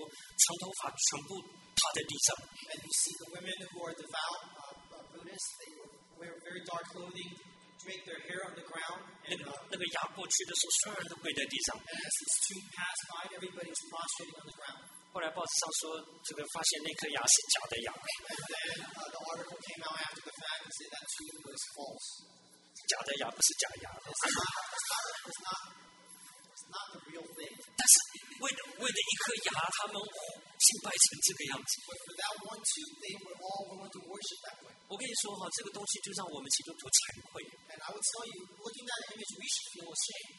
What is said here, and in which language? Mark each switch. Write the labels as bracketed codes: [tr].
[zh] 你看他们那些女信徒的敬虔，穿着黑色的衣服，长头发全部趴在地上。 [en] And you see the women who are devout Buddhists. They wear very dark clothing, drape their hair on the ground. [zh] And 那个牙过去的时候，所有人都跪在地上。 [en] And as this tooth passed by, everybody was prostrating on the ground. [zh] 后来报纸上说，这个发现那颗牙是假的牙。 [en] And then the article came out after the fact and said that tooth was false. [zh] 假的牙不是假牙。 [en] It's not the real thing. [zh] 但是为了一颗牙，他们敬拜成这个样子。 [en] But for that one tooth, they were all willing to worship that way. [zh] 我跟你说，这个东西就让我们基督徒惭愧。 [en] And I would tell you, looking at that image, we should feel ashamed.